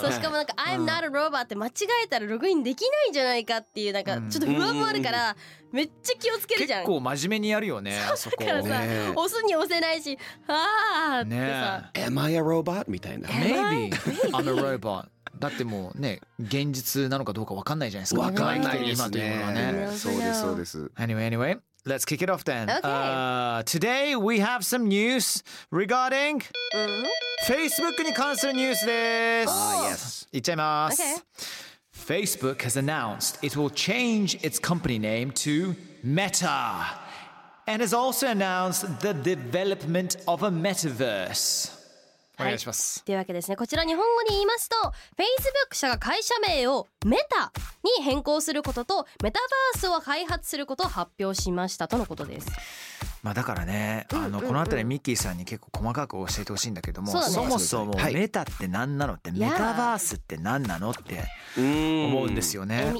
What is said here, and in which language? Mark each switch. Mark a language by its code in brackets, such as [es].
[ja] そう、しかもなんか [en] I'm not a robot [ja] って間違えたらログインできないんじゃないかっていうなんかちょっと不安もあるから。めっちゃ気をつけるじゃん。結構真面目にやるよね。そこからさ、ね、押すに押せないし、あーってさ、 [en] ね、Am I a robot? [ja] みたいな。 [en] Maybe I'm a robot. [ja] だってもうね、現実なのかどうか分かんないじゃないですか。分かんないですね。今というものはね。そうですそうです。 [en] Anyway, anyway, let's kick it off then. Okay. Today we have some news regarding Facebook [ja] に関するニュースです。 [en] Oh, yes. [ja] 行っちゃいます。 [en] Okay. Facebook has announced it will change its company name to Meta and has also announced the development of a metaverse. [ja] はい、お願いします。というわけですね、こちら日本語に言いますと Facebook 社が会社名をメタに変更することとメタバースを開発することを発表しましたとのことです。まあ、だからね、あのこのあたりミッキーさんに結構細かく教えてほしいんだけども、そもそもメタって何なのってメタバースって何なのって思うんですよね。